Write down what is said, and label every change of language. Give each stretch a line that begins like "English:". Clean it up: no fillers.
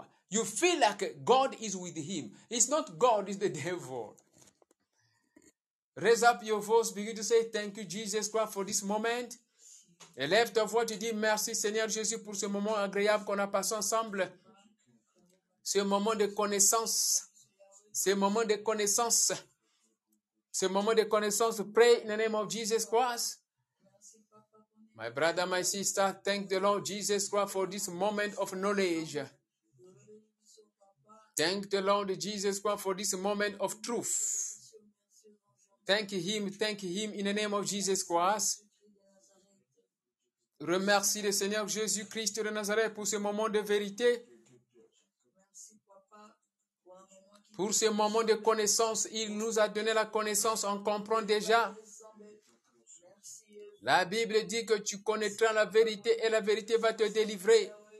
English: You feel like God is with him. It's not God, it's the devil. Raise up your voice, begin to say, thank you, Jesus Christ, for this moment.
French: Élève ta voix, tu dis, merci, Seigneur Jésus, pour ce moment agréable qu'on a passé ensemble. ce moment de connaissance, ce moment de connaissance, ce moment de connaissance.
English: Pray in the name of Jesus Christ. My brother, my sister, thank the Lord Jesus Christ for this moment of knowledge. Thank the Lord Jesus Christ for this moment of truth. Thank him in the name of Jesus Christ.
French: Remercie le Seigneur Jésus-Christ de Nazareth pour ce moment de vérité. Pour ce moment de connaissance, il nous a donné la connaissance, on comprend déjà. La Bible dit que tu connaîtras la vérité et la vérité va te délivrer.